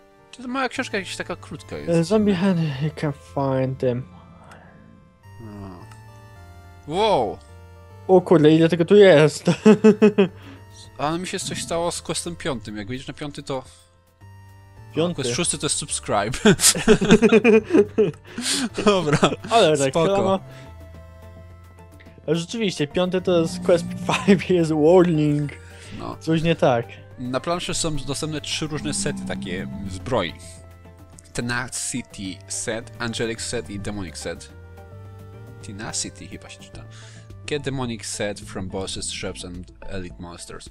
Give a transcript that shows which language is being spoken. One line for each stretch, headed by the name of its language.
Polish: Czy to moja książka jakaś taka krótka jest?
English: Zombie hand, you can find them.
Polish: No. Wow! O kurde, ile tego tu jest? Ale mi się coś stało z questem piątym. Jak widzisz na piąty, to... Piąty? Quest szósty to jest subscribe. Dobra, ale tak, spoko. Rzeczywiście, piąty to jest quest 5, jest warning. No. Coś nie tak. Na planszy są dostępne trzy różne sety takie zbroi. Tenacity set, Angelic set i Demonic set. Tenacity chyba się czyta.
English: Get demonic set from bosses, shops and elite monsters.